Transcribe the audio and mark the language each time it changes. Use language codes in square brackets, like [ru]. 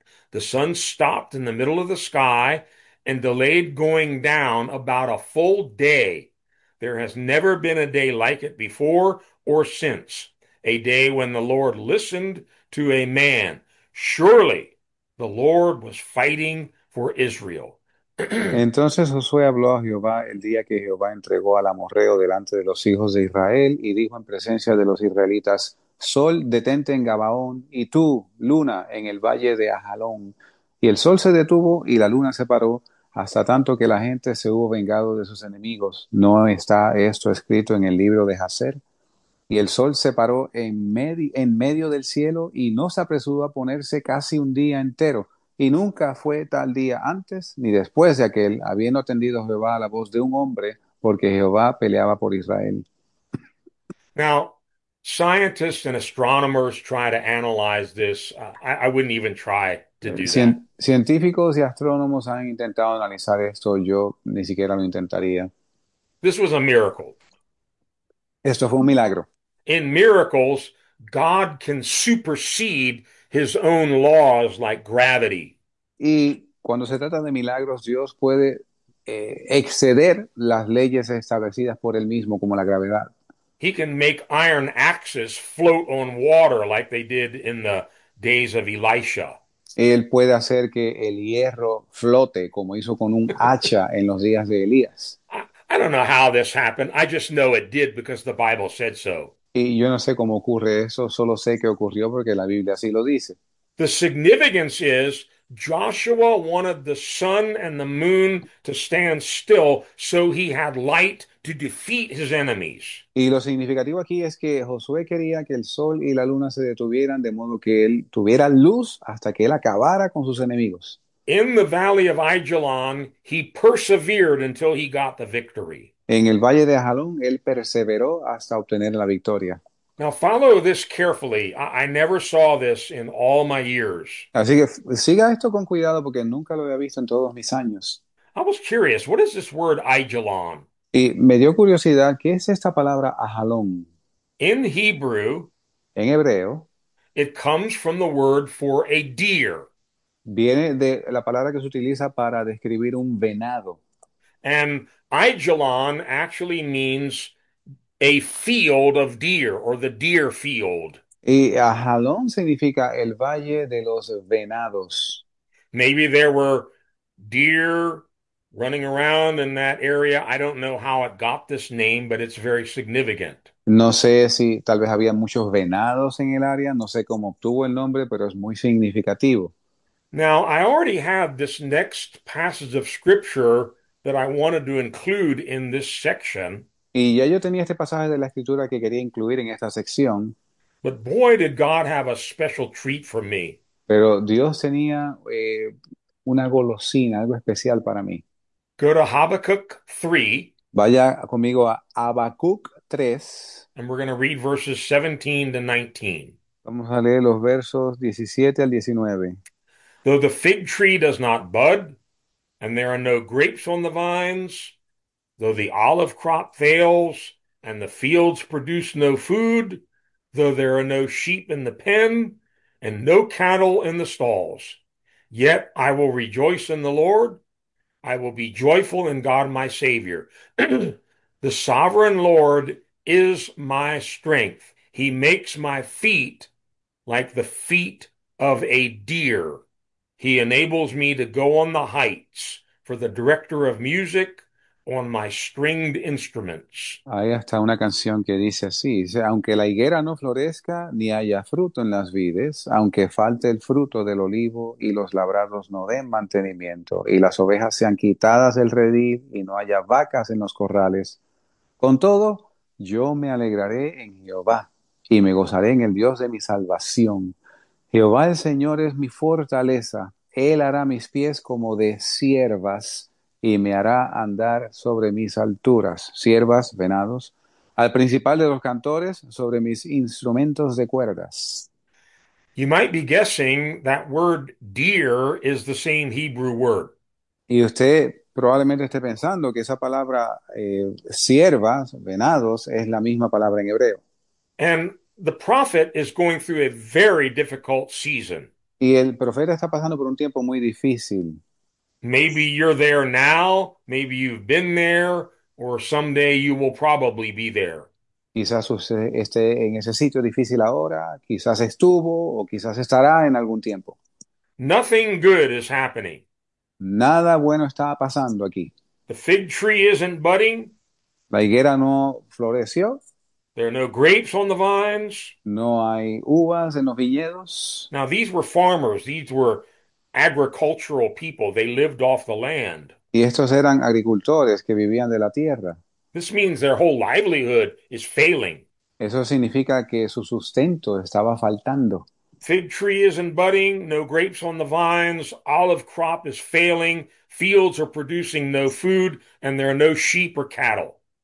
[en] The sun stopped in the middle of the sky and delayed going down about a full day. There has never been a day like it before or since, a day when the Lord listened to a man. Surely the Lord was fighting for Israel. [es] Entonces Josué habló a Jehová el día que Jehová entregó al amorrheo delante de los hijos de Israel y dijo en presencia de los israelitas: Sol, detente en Gabaón, y tú, luna, en el valle de Ajalón. Y el sol se detuvo y la luna se paró hasta tanto que la gente se hubo vengado de sus enemigos. ¿No está esto escrito en el libro de Jasher? Y el sol se paró en medio del cielo y no se apresuró a ponerse casi un día entero. Y nunca fue tal día antes ni después de aquel, habiendo atendido Jehová a la voz de un hombre, porque Jehová peleaba por Israel. [en] Now, scientists and astronomers try to analyze this. I wouldn't even try to do that. [es] Científicos y astrónomos han intentado analizar esto. Yo ni siquiera lo intentaría. [en] This was a miracle. [es] Esto fue un milagro. [en] In miracles, God can supersede his own laws like gravity. [es] Y cuando se trata de milagros, Dios puede exceder las leyes establecidas por él mismo, como la gravedad. [en] He can make iron axes float on water like they did in the days of Elisha. [es] Él puede hacer que el hierro flote, como hizo con un hacha en los días de Elías. [en] I don't know how this happened. I just know it did because the Bible said so. [es] Y yo no sé cómo ocurre eso, solo sé que ocurrió porque la Biblia así lo dice. [en] The significance is Joshua wanted the sun and the moon to stand still so he had light to defeat his enemies. [es] Y lo significativo aquí es que Josué quería que el sol y la luna se detuvieran de modo que él tuviera luz hasta que él acabara con sus enemigos. [en] In the valley of Ajalon, he persevered until he got the victory. [es] En el valle de Ajalón, él perseveró hasta obtener la victoria. [en] Now follow this carefully. I never saw this in all my years. [es] Así que siga esto con cuidado porque nunca lo había visto en todos mis años. [en] I was curious, what is this word Ajalon? [es] Y me dio curiosidad, ¿qué es esta palabra ajalón? [en] In Hebrew, [es] En hebreo, [en] it comes from the word for a deer. [es] viene de la palabra que se utiliza para describir un venado. [en] And Ajalon actually means a field of deer or the deer field. [es] Y ajalón significa el valle de los venados. [en] Maybe there were deer running around in that area. I don't know how it got this name, but it's very significant. [es] No sé si tal vez había muchos venados en el área, no sé cómo obtuvo el nombre, pero es muy significativo. [en] Now, I already have this next passage of scripture that I wanted to include in this section. [es] Y ya yo tenía este pasaje de la escritura que quería incluir en esta sección. [en] But boy, did God have a special treat for me. [es] Pero Dios tenía una golosina, algo especial para mí. [en] Go to Habakkuk 3. [es] Vaya conmigo a Habacuc 3. [en] And we're going to read verses 17 to 19. [es] Vamos a leer los versos 17 al 19. [en] Though the fig tree does not bud, and there are no grapes on the vines, though the olive crop fails, and the fields produce no food, though there are no sheep in the pen, and no cattle in the stalls, yet I will rejoice in the Lord. I will be joyful in God my Savior. The sovereign Lord is my strength. He makes my feet like the feet of a deer. He enables me to go on the heights for the director of music on my stringed instruments. [es] Ahí está una canción que dice así, dice, aunque la higuera no florezca, ni haya fruto en las vides, aunque falte el fruto del olivo y los labrados no den mantenimiento, y las ovejas sean quitadas del redil y no haya vacas en los corrales, con todo yo me alegraré en Jehová y me gozaré en el Dios de mi salvación. Jehová el Señor es mi fortaleza, Él hará mis pies como de ciervas. Y me hará andar sobre mis alturas, ciervas, venados, al principal de los cantores, sobre mis instrumentos de cuerdas. [en] You might be guessing that word deer is the same Hebrew word. [es] Y usted probablemente esté pensando que esa palabra siervas, venados, es la misma palabra en hebreo. [en] And the prophet is going through a very difficult season. [es] Y el profeta está pasando por un tiempo muy difícil. [en] Maybe you're there now, maybe you've been there, or someday you will probably be there. [es] Quizás usted esté en ese sitio difícil ahora, quizás estuvo o quizás estará en algún tiempo. [en] Nothing good is happening. [es] Nada bueno está pasando aquí. [en] The fig tree isn't budding. [es] La higuera no floreció. [en] There are no grapes on the vines. [es] No hay uvas en los viñedos. [en] Now, these were farmers. These were agricultural people. They lived off the land. [es] Y estos eran agricultores que vivían de la tierra. [en] This means their whole livelihood is failing. [es] Eso significa que su sustento estaba faltando. [en] Fig tree isn't budding, no grapes on the vines, olive crop is failing, fields are producing no food, and there are no sheep or cattle.